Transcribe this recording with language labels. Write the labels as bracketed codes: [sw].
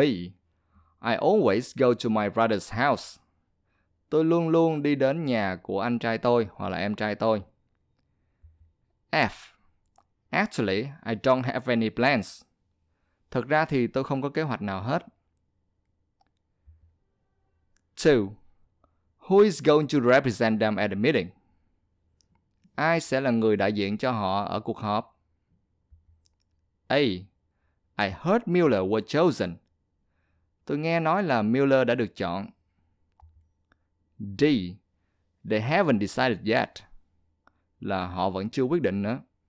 [en] I always go to my brother's house. [vi] Tôi luôn luôn đi đến nhà của anh trai tôi hoặc là em trai tôi. F. [en] Actually, I don't have any plans. [vi] Thực ra thì tôi không có kế hoạch nào hết. 2. [en] Who is going to represent them at the meeting? [vi] Ai sẽ là người đại diện cho họ ở cuộc họp? A. [en] I heard Mueller was chosen. [vi] Tôi nghe nói là Mueller đã được chọn. D. [en] They haven't decided yet. [vi] Là họ vẫn chưa quyết định nữa.